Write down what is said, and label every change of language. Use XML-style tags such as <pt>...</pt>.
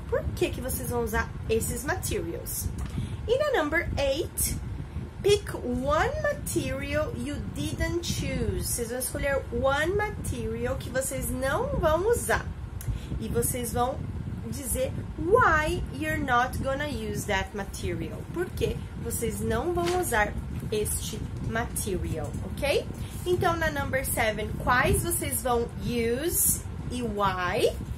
<pt>Por que que vocês vão usar esses materials? E na</pt> <en>number 8, pick one material you didn't choose.</en> <pt>Vocês vão escolher</pt> <en>one material</en> <pt>que vocês não vão usar. E vocês vão dizer</pt> <en>why you're not gonna use that material.</en> <pt>Por que vocês não vão usar este material, ok? Então, na number 7, quais vocês vão use e why?</pt>